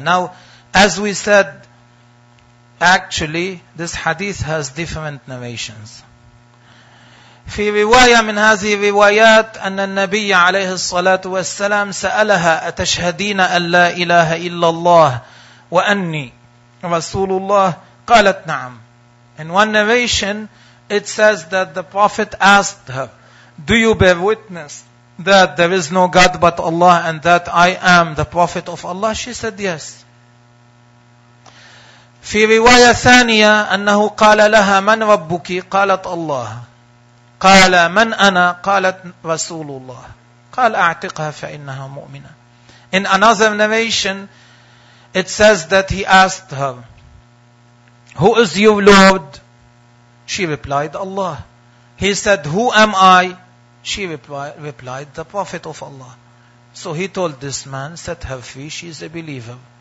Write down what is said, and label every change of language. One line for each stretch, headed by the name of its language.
English: Now, as we said, actually, this hadith has different narrations.
Arabic: في رواية من هذه الروايات أن النبي عليه الصلاة والسلام سألها أتشهدين أن لا إله إلا الله وأني رسول الله؟ قالت نعم.
English: In one narration, it says that the Prophet asked her, "Do you bear witness that there is no God but Allah and that I am the Prophet of Allah?" She said, "Yes."
Arabic: في رواية ثانية أنه قال لها من ربك؟ قالت الله. قال من أنا؟ قالت رسول الله. قال أعتقها فإنها مؤمنة.
English: In another narration, it says that he asked her, "Who is your Lord?" She replied, "Allah." He said, "Who am I?" She replied, "The Prophet of Allah." So he told this man, "Set her free, she is a believer."